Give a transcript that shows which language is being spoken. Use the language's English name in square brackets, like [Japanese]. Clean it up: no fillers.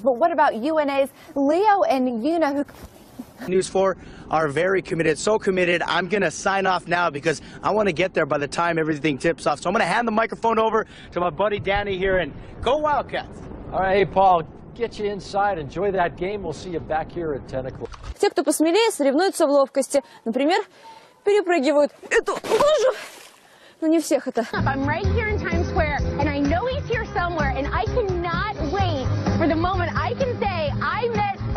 [English] But what about UNA's Leo and Yuna? Who... News 4 are very committed, so committed. I'm going to sign off now because I want to get there by the time everything tips off. So I'm going to hand the microphone over to my buddy Danny here and go Wildcats. All right, hey, Paul. Get you inside, enjoy that game. We'll see you back here at 10 o'clock. [Russian] Те, кто посмелее, соревнуются в ловкости. Например, перепрыгивают эту лужу. Но не всех это. [English] I'm right here in Times Square, and I know he's here somewhere, and I cannot wait for the moment I can say I met...